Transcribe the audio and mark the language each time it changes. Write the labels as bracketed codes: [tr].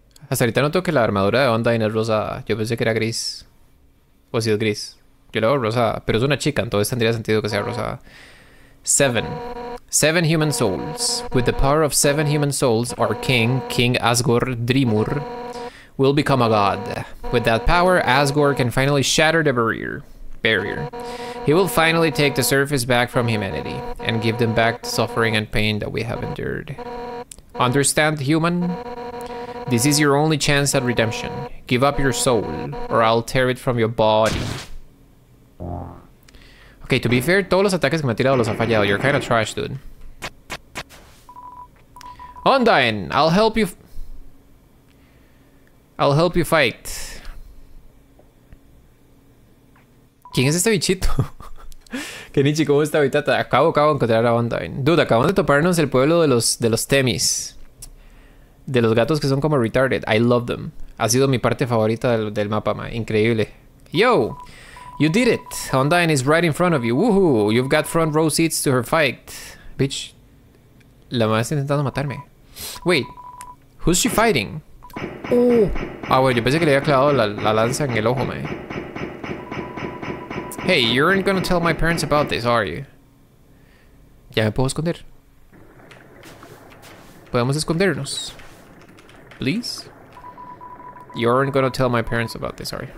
[es] Hasta ahorita noto que la armadura de Undyne es rosada. Yo pensé que era gris. O si es gris. Yo la veo rosada. Pero es una chica, entonces tendría sentido que sea rosada. [en] 7. 7 human souls. With the power of 7 human souls, our king, King Asgore Drimur, will become a god. With that power, Asgore can finally shatter the barrier. He will finally take the surface back from humanity and give them back the suffering and pain that we have endured. Understand, human? This is your only chance at redemption. Give up your soul, or I'll tear it from your body. Okay, to be fair, [es] todos los ataques que me ha tirado los ha fallado. [en] You're kind of trash, dude. Undyne, I'll help you... I'll help you fight. [es] ¿Quién es este bichito? Kenichi, ¿cómo está ahorita? Acabo de encontrar a Undyne. Dude, acabamos de toparnos el pueblo de los Temis. De los gatos que son como retarded. [en] I love them. [es] Ha sido mi parte favorita del mapa, man. Increíble. [en] Yo, you did it. Undyne is right in front of you. Woohoo. You've got front row seats to her fight. Bitch. [es] La mamá está intentando matarme. [en] Wait. Who's she fighting? Oh. [es] Ah, bueno, yo pensé que le había clavado la lanza en el ojo, man. [en] Hey, you're not gonna tell my parents about this, are you? [es] Ya me puedo esconder. Podemos escondernos. [en] Please? You aren't gonna tell my parents about this, sorry.